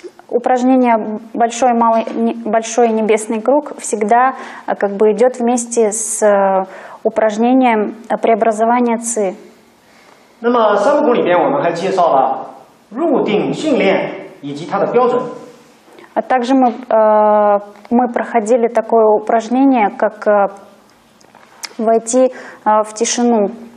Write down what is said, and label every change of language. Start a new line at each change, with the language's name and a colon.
Russian: Упражнение большой, малый, большой небесный круг всегда как бы идет вместе с упражнением преобразования ци.
Chinese: 那么三步功里边我们还介绍了入定训练以及它的标准。
Russian: А также мы проходили такое упражнение, как войти в тишину.